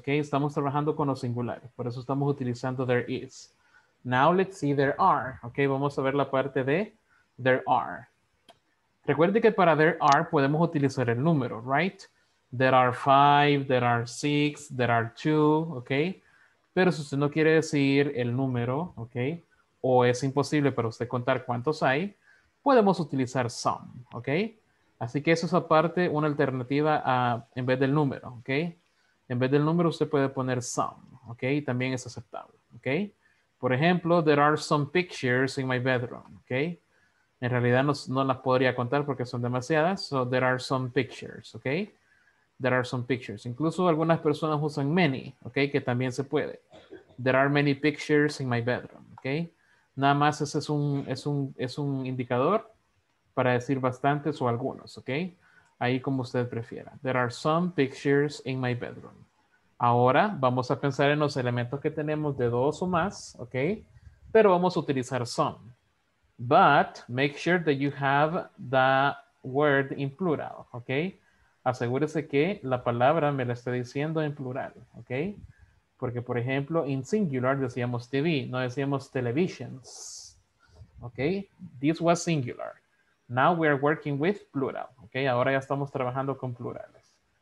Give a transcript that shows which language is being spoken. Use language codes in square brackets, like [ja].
[es] Okay. Estamos trabajando con los singulares. Por eso estamos utilizando there is. [en] Now let's see there are, okay, [es] vamos a ver la parte de [en] there are. [es] Recuerde que para there are podemos utilizar el número, right? [en] There are five, there are six, there are two, okay? [es] Pero si usted no quiere decir el número, okay, o es imposible para usted contar cuántos hay, podemos utilizar some, okay? Así que eso es aparte una alternativa a, en vez del número, okay? En vez del número usted puede poner some, okay? También es aceptable, okay? Por ejemplo, [en] there are some pictures in my bedroom, [es] okay? En realidad no las podría contar porque son demasiadas, [en] so there are some pictures, [es] okay? There are some pictures. Incluso algunas personas usan many, okay? Que también se puede. [en] There are many pictures in my bedroom, okay? [es] Nada más ese es un indicador para decir bastantes o algunos, okay? Ahí como usted prefiera. [en] There are some pictures in my bedroom. [es] Ahora vamos a pensar en los elementos que tenemos de dos o más, ¿ok? Pero vamos a utilizar some. [en] But make sure that you have the word in plural, ¿ok? [es] Asegúrese que la palabra me la esté diciendo en plural, ¿ok? Porque, por ejemplo, in singular decíamos TV, no decíamos televisions, ¿ok? [en] This was singular. Now we are working with plural. Okay, [es] ahora ya estamos trabajando con plurales.